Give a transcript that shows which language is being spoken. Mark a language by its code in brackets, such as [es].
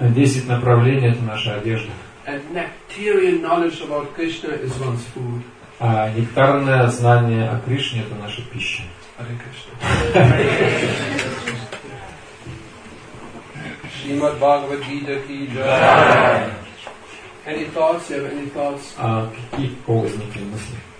[ru] 10 направлений – это наша одежда. [en] And nectarian knowledge about Krishna is one's food. [ru] А нектарное знание о Кришне – это наша пища. [en] Hare Krishna. Srimad Bhagavad Gita ki jai. Any thoughts? You have any thoughts? [ru] Какие поводные мысли?